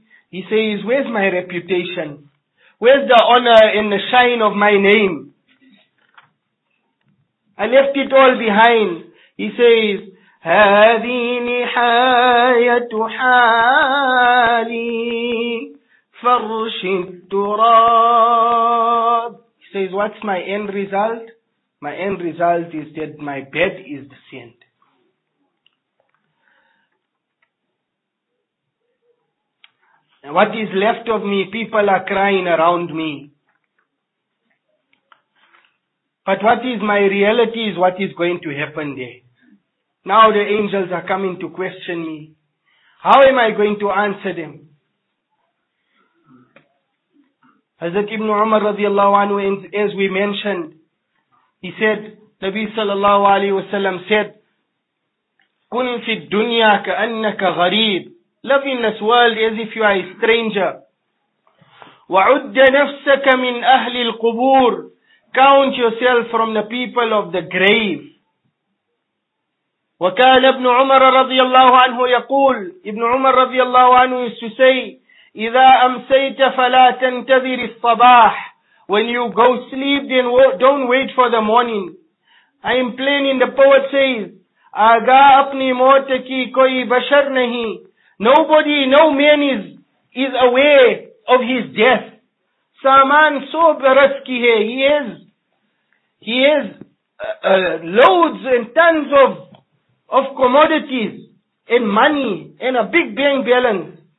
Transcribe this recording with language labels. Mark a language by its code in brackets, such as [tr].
[en] He says, where's my reputation? Where's the honor and the shine of my name? I left it all behind. He says, [ar] هذه نهاية حالي فرش التراب. [en] He says, what's my end result? My end result is that my bed is the sand. What is left of me? People are crying around me. But what is my reality is what is going to happen there. Now the angels are coming to question me. How am I going to answer them? Hazrat Ibn Umar radiallahu anhu, as we mentioned, he said, Nabi sallallahu alayhi wa sallam said, [ar] Kun fi dunya ka annaka ghareeb. [en] Live in this world as if you are a stranger. [ar] وَعُدَّ نَفْسَكَ مِنْ أَهْلِ الْقُبُورِ. [en] Count yourself from the people of the grave. [ar] وَكَالَ ابْنُ عُمَرَ رَضِيَ اللَّهُ عَنْهُ يَقُولُ. [en] Ibn Umar [ar] رَضِيَ اللَّهُ عَنْهُ [en] used to say, [ar] إِذَا أَمْسَيْتَ فَلَا تَنْتَذِرِ الصَّبَاحِ. [en] When you go sleep, then don't wait for the morning. I am planning, the poet says, [ur] آگاہ اپنی موت کی کوئی بشر نہیں. [en] Nobody, no man is aware of his death. [ur] Saman so baraski hai, [en] he has loads and tons of commodities and money and a big bank balance.